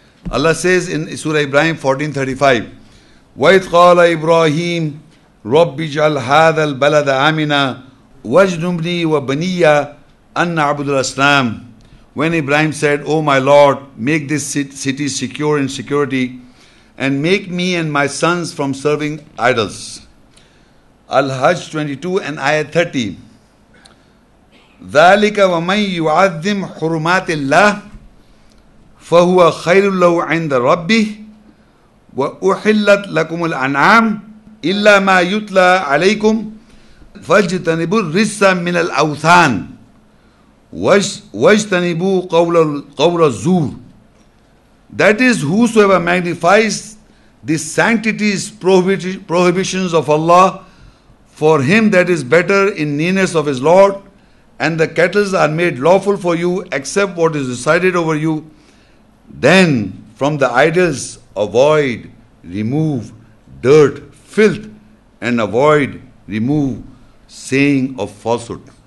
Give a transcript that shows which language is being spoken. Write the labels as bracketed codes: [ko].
[en] Allah says in Surah Ibrahim 14:35, [ar] وَإِذْ قَالَ إِبْرَاهِيمُ رَبِّ اجْعَلْ هَذَا الْبَلَدَ آمِنًا وَاجْنُبْنِي وَبَنِيَّ أَنَّ عَبُدُ الْأَسْلَامِ. [en] When Ibrahim said, O my Lord, make this city secure in security, and make me and my sons from serving idols. Al-Hajj 22 and Ayah 30. [ar] ذلك ومن يعظم حرمات الله فهو خير له عند ربه وأحلت لكم الأنعام إلا ما يتلى عليكم فاجتنبوا الرجس من الأوثان واجتنبوا قول الزور. [en] That is, whosoever magnifies the sanctities, prohibitions of Allah, for him that is better in nearness of his Lord, and the cattle are made lawful for you except what is recited over you, then from the idols avoid, remove dirt, filth, and avoid, remove saying of falsehood.